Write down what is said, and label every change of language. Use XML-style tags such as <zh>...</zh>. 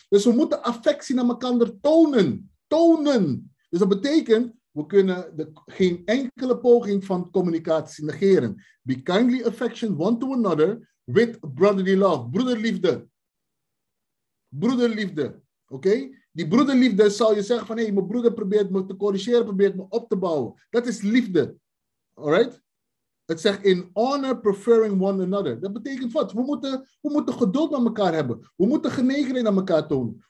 <nl>Dus we moeten affectie naar elkaar tonen. Tonen. Dus dat betekent, we kunnen geen enkele poging van communicatie negeren.</nl> <en>Be kindly affectioned one to another with brotherly love.</en> <nl>Broederliefde. Broederliefde. Oké?</nl> <en>Okay?</en> <nl>Die broederliefde zal je zeggen van, hé, mijn broeder probeert me te corrigeren, probeert me op te bouwen. Dat is liefde.</nl> <en>All right?</en> <nl>Het zegt</nl> <en>in honor preferring one another.</en> <nl>Dat betekent wat? We moeten geduld met elkaar hebben. We moeten genegenheid aan elkaar tonen.</nl>